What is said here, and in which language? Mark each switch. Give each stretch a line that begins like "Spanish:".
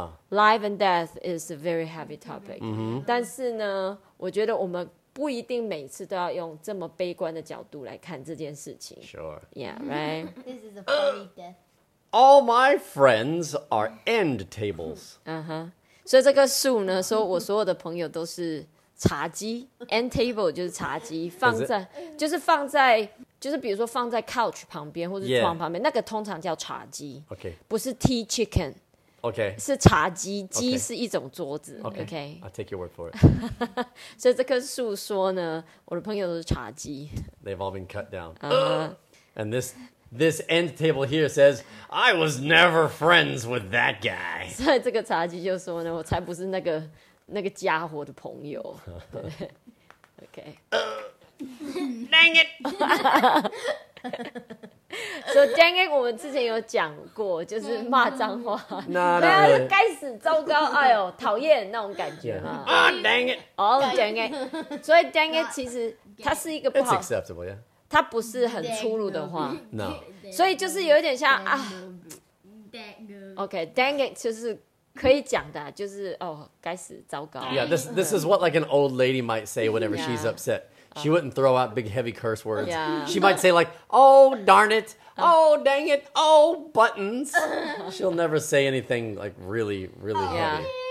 English: Life and death is a very heavy topic.
Chinese: 但是呢，我觉得我们不一定每次都要用这么悲观的角度来看这件事情。
English: Sure. Yeah, right? This is a funny death. All my friends are end tables.
Chinese: 所以这个树呢，说我所有的朋友都是茶几 ，end table 就是茶几，放在 就是放在，就是比如说放在 couch 旁边或者床旁边，
English: yeah.
Chinese: 那个通常叫茶几。
English: Okay.
Chinese: 不是 tea chicken.
English: Okay. 是茶几，鸡是一种桌子。 Okay. Okay. I'll take your word for it.
Chinese: 所以这棵树说呢，我的朋友都是茶几。
English: They've all been cut down. And this end table here says, I was never friends with that guy.
Chinese: 所以这个茶几就说呢，我才不是那个。那个家伙的朋友，OK，
English: dang it，
Chinese: 所以 dang it， 我们之前有讲过，就是骂脏话，那该死，糟糕，哎呦，讨厌那种感觉嘛，
English: 啊、yeah. dang it，
Chinese: 哦、
English: oh, dang it，
Chinese: 所以 dang it 其实它是一个不好
English: ，it's acceptable， yeah，
Chinese: 它不是很粗鲁的话
English: ，no，
Chinese: 所以就是有点像啊 ，OK， dang it 就是。可以讲的，就是哦，该死，糟糕。
English: Yeah, this is what like an old lady might say whenever she's upset. She wouldn't throw out big heavy curse words. Yeah. She might say like, oh, darn it, oh, dang it, oh, buttons. She'll never say anything like really, really heavy.